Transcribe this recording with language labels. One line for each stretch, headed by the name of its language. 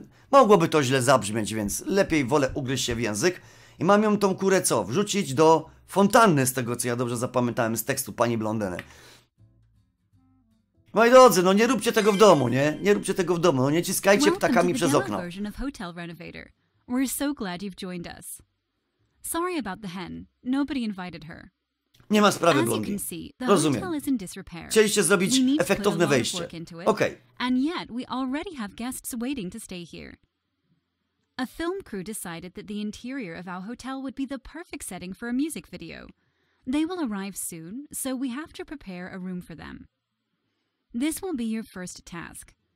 Polish: Mogłoby to źle zabrzmieć, więc lepiej wolę ugryźć się w język. I mam ją tą kurę co? Wrzucić do fontanny, z tego co ja dobrze zapamiętałem z tekstu pani blondyny. Moi drodzy, no nie róbcie tego w domu, nie? Nie róbcie tego w domu, no nie ciskajcie ptakami przez okno.
English: Welcome to the demo version of Hotel Renovator. We're so glad you've joined us. Sorry about the hen. Nobody invited her.
Polish: Nie ma sprawy, blondy. Rozumiem. Chcieliście zrobić efektowne wejście. Okej.
English: And yet we already have guests waiting to stay here. A film crew decided that the interior of our hotel would be the perfect setting for a music video. They will arrive soon, so we have to prepare a room for them. This will be your first task.